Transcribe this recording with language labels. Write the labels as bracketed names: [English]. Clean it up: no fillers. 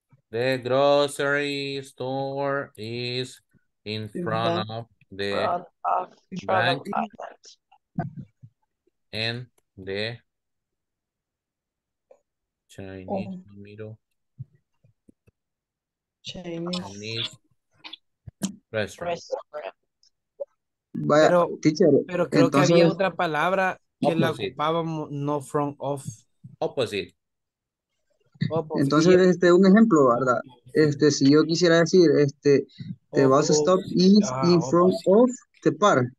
[English] The grocery store is in front of the bank and the Chinese restaurant. [Spanish] Vaya, teacher, pero creo entonces, que había otra palabra que opposite. La ocupábamos, no front of. [English] Opposite. [Spanish] Entonces, un ejemplo, ¿verdad? Si yo quisiera decir, [English] the bus stop is in front of the park.